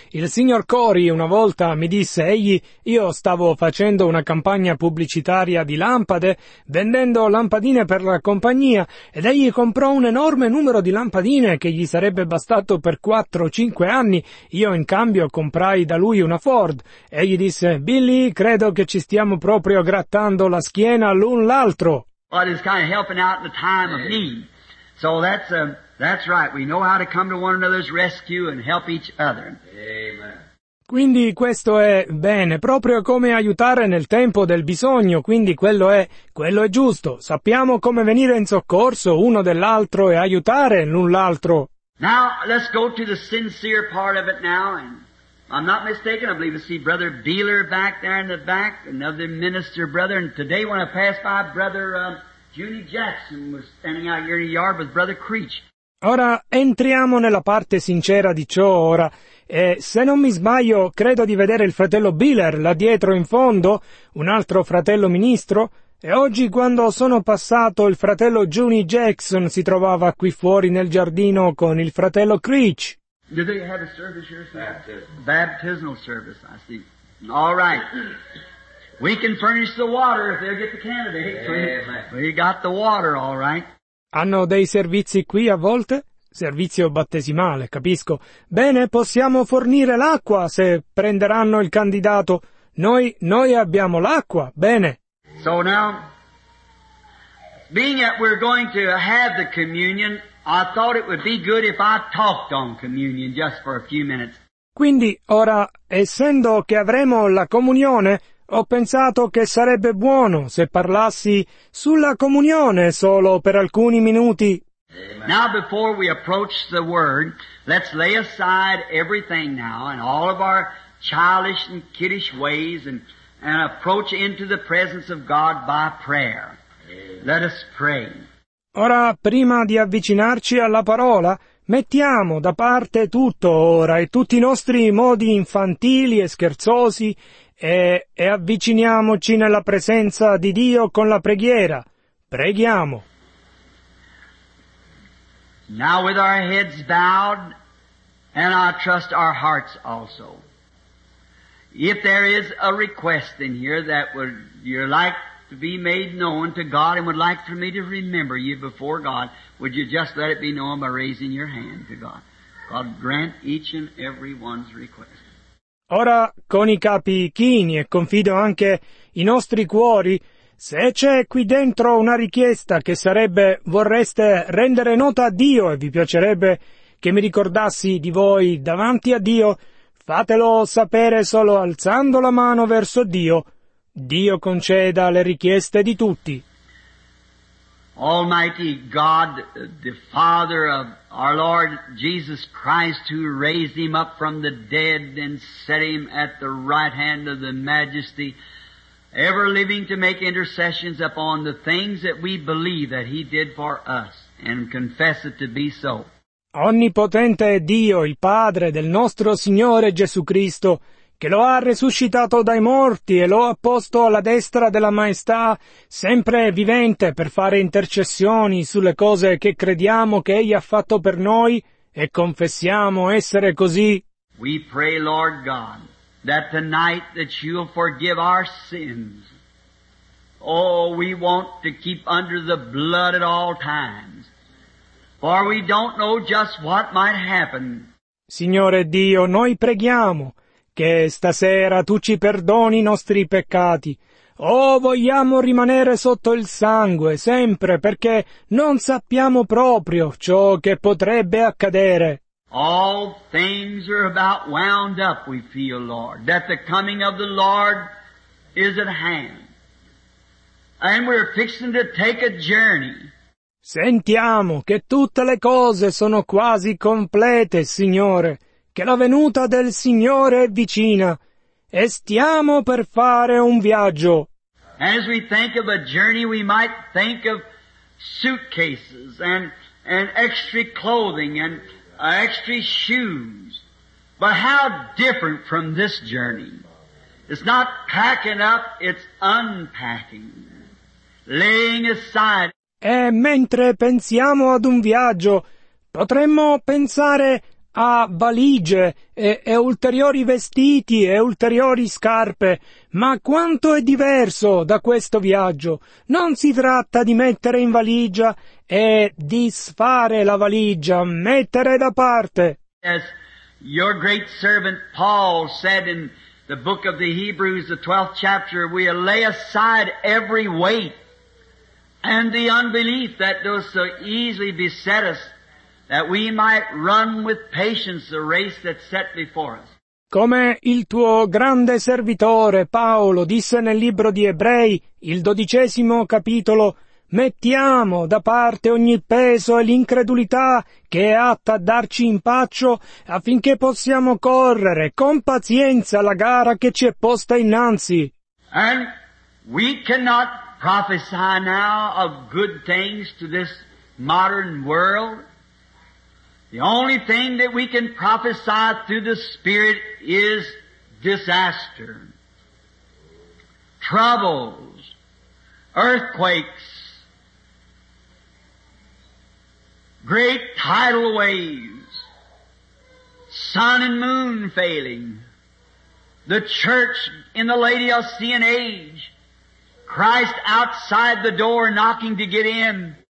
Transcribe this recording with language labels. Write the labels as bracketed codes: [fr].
[it] Il signor Corey una volta mi disse, io stavo facendo una campagna pubblicitaria di lampade, vendendo lampadine per la compagnia, ed egli comprò un enorme numero di lampadine che gli sarebbe bastato per 4-5 anni. Io in cambio comprai da lui una Ford. Egli disse, Billy, credo che ci stiamo proprio grattando la schiena l'un l'altro. [en] But it's kind of helping out in the time of need. So that's right. We know how to come to one another's rescue and help each other. Amen. [it] Quindi questo è bene, proprio come aiutare nel tempo del bisogno, quindi quello è giusto. Sappiamo come venire in soccorso uno dell'altro e aiutare l'un l'altro. [en] Now let's go to the sincere part of it now, and I'm not mistaken, I believe I see Brother Beeler back there in the back, another minister brother, and today when I pass by Brother Junie Jackson was standing out here in the yard with Brother Creech. [it] Ora entriamo nella parte sincera di ciò ora. E se non mi sbaglio, credo di vedere il fratello Biller là dietro in fondo, un altro fratello ministro. E oggi, quando sono passato, il fratello Junie Jackson si trovava qui fuori nel giardino con il fratello Creech. [en] Did they have a service here? Baptismal service, I see. All right. We can furnish the water if they'll get the candidate. Yeah, we got the water, all right. [it] Hanno dei servizi qui a volte? Servizio battesimale, capisco. Bene, possiamo fornire l'acqua se prenderanno il candidato. Noi abbiamo l'acqua, bene. [en] So now, being that we're going to have the communion, I thought it would be good if I talked on communion just for a few minutes. [it] Quindi, ora, essendo che avremo la comunione, ho pensato che sarebbe buono se parlassi sulla comunione solo per alcuni minuti. [en] Now before we approach the word, let's lay aside everything now and all of our childish and kiddish ways and approach into the presence of God by prayer. Let us pray. [it] Ora, prima di avvicinarci alla parola, mettiamo da parte tutto ora e tutti i nostri modi infantili e scherzosi e avviciniamoci nella presenza di Dio con la preghiera. Preghiamo. [en] Now with our heads bowed, and I trust our hearts also. If there is a request in here that would you'd like to be made known to God and would like for me to remember you before God, would you just let it be known by raising your hand to God? God grant each and every one's request. [it] Ora, con i capi chini e confido anche i nostri cuori, se c'è qui dentro una richiesta che sarebbe vorreste rendere nota a Dio e vi piacerebbe che mi ricordassi di voi davanti a Dio, fatelo sapere solo alzando la mano verso Dio. Dio conceda le richieste di tutti. [en] Almighty God, the Father of our Lord Jesus Christ, who raised him up from the dead and set him at the right hand of the Majesty, ever living to make intercessions upon the things that we believe that he did for us and confess it to be so. [it] Onnipotente Dio, il Padre del nostro Signore Gesù Cristo, che lo ha resuscitato dai morti e lo ha posto alla destra della Maestà, sempre vivente per fare intercessioni sulle cose che crediamo che Egli ha fatto per noi e confessiamo essere così. [en] We pray, Lord God, that tonight that you'll forgive our sins. Oh, we want to keep under the blood at all times, for we don't know just what might happen. [it] Signore Dio, noi preghiamo che stasera tu ci perdoni i nostri peccati. Oh, vogliamo rimanere sotto il sangue sempre, perché non sappiamo proprio ciò che potrebbe accadere. [en] All things are about wound up, we feel, Lord, that the coming of the Lord is at hand. And we're fixing to take a journey. [it] Sentiamo che tutte le cose sono quasi complete, Signore, che la venuta del Signore è vicina, e stiamo per fare un viaggio. [en] As we think of a journey, we might think of suitcases and extra clothing and extra shoes. But how different from this journey. It's not packing up, it's unpacking, laying aside. [it] E mentre pensiamo ad un viaggio, potremmo pensare a valigie e ulteriori vestiti e ulteriori scarpe, ma quanto è diverso da questo viaggio. Non si tratta di mettere in valigia e disfare la valigia, mettere da parte. [en] As your great servant Paul said in the book of the Hebrews, the 12th chapter, we lay aside every weight and the unbelief that does so easily beset us, that we might run with patience the race that's set before us. [it] Come il tuo grande servitore Paolo disse nel libro di Ebrei, il 12° capitolo, mettiamo da parte ogni peso e l'incredulità che è atta a darci impaccio, affinché possiamo correre con pazienza la gara che ci è posta innanzi. [en] And we cannot prophesy now of good things to this modern world. The only thing that we can prophesy through the Spirit is disaster, troubles, earthquakes, great tidal waves, sun and moon failing, the church in the Laodicean age, Christ outside the door knocking to get in.